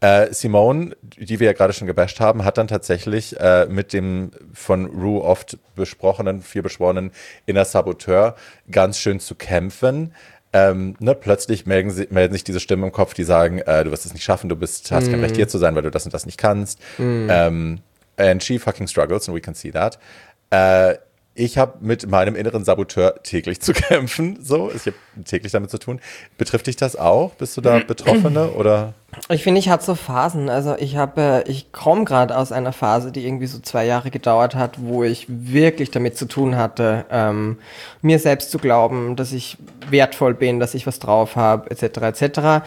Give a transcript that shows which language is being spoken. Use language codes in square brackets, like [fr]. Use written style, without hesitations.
[de] Simone, die wir ja gerade schon gebasht haben, hat dann tatsächlich mit dem von Rue oft besprochenen, viel beschworenen Inner Saboteur ganz schön zu kämpfen. Plötzlich melden sich diese Stimmen im Kopf, die sagen, du wirst es nicht schaffen, hast kein Recht hier zu sein, weil du das und das nicht kannst. [en] And she fucking struggles and we can see that. [de] Ich habe mit meinem inneren Saboteur täglich zu kämpfen. So, ich habe täglich damit zu tun. Betrifft dich das auch? Bist du da Betroffene oder? Ich finde, ich habe so Phasen. Also ich komme gerade aus einer Phase, die irgendwie so 2 Jahre gedauert hat, wo ich wirklich damit zu tun hatte, mir selbst zu glauben, dass ich wertvoll bin, dass ich was drauf habe, etc. etc.